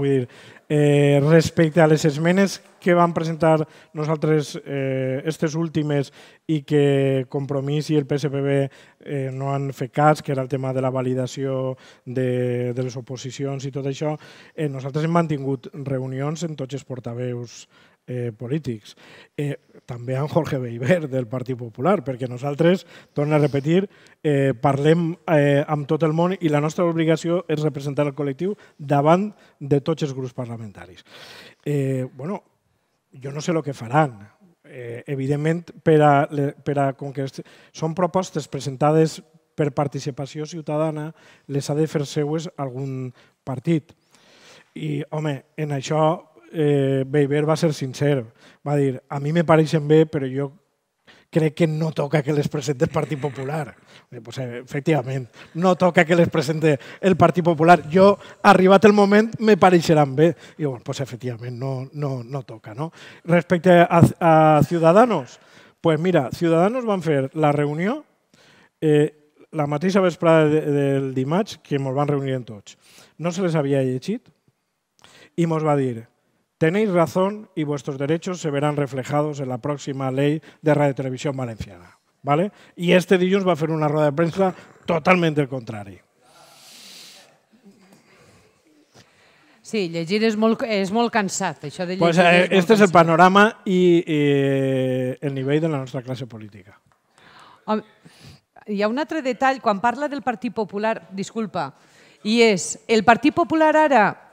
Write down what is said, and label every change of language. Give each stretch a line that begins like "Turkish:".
Catalan: Vull dir, respecte a les esmenes que vam presentar nosaltres aquestes últimes i que Compromís i el PSPB no han fet cas, que era el tema de la validació de les oposicions i tot això, nosaltres hem mantingut reunions amb tots els portaveus polítics. També amb Jorge Beiber, del Partit Popular, perquè nosaltres, torno a repetir, parlem amb tot el món i la nostra obligació és representar el col·lectiu davant de tots els grups parlamentaris. Bueno, jo no sé el que faran. Evidentment, per a, com que són propostes presentades per Participació Ciutadana, les ha de fer seues algun partit. I, home, en això... Beiber va ser sincer, va dir
Spanish: a mi me
Catalan: pareixen bé però jo crec que no toca que les presente el Partit Popular. Pues, efectivament, no toca que les presente el Partit Popular. Jo, arribat el moment, me pareixeran bé. I bueno, pues, efectivament, no toca. No? Respecte a Ciudadanos, pues mira, Ciudadanos van fer la reunió la mateixa vesprada del dimarts que ens van reunir en tots. No se les havia llegit i ens va dir:
Spanish: tenéis razón y vuestros derechos se verán reflejados en la próxima ley de Radio Televisión Valenciana. ¿Vale? Y este dilluns va a hacer una rueda de prensa totalmente el contrario.
Catalan: Sí, llegir és molt cansat. Això de pues, este és el panorama i el nivell de la nostra classe política. Home, hi ha un altre detall. Quan parla del Partit Popular, disculpa, i és el Partit Popular ara...